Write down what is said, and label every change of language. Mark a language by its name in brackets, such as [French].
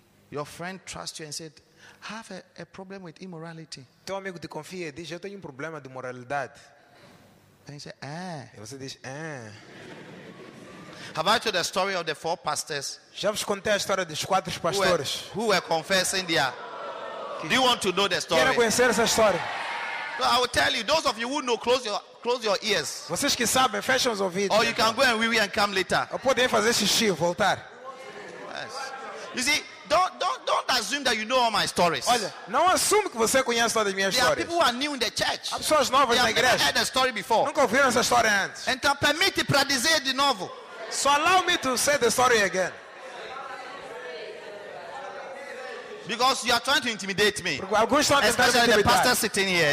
[English] Your friend trusts you and said, have a problem with immorality. [Portuguese] Teu amigo te confia e diz, eu tenho um problema de moralidade. [English] And you say, [Portuguese] E você diz, [English] Have I told the story of the four pastors? [Portuguese] Já vos contei a história dos quatro pastores. [English] Who were confessing their... Do you want to know the story? [Portuguese] Quero conhecer essa história. [English] So I will tell you. Those of you who know, close your ears. [Portuguese] Vocês que sabem, fechem os ouvidos. [English] Or you can go and wee and come later. [Portuguese] Ou podem fazer xixi e voltar. [English] Yes. You see, don't assume that you know all my stories. [Portuguese] Olha, não assume que você conhece todas as minhas histórias. [English] There are people who are new in the church. [Portuguese] Há pessoas novas na igreja. [English] They have never heard a story before. [Portuguese] Nunca ouviram essa história antes. Então, permite para dizer de novo. [English] So allow me to say the story again. Because you are trying to intimidate me. [Portuguese] Alguns estão tentando [English] especially [Portuguese] intimidar. [English] The pastor sitting here.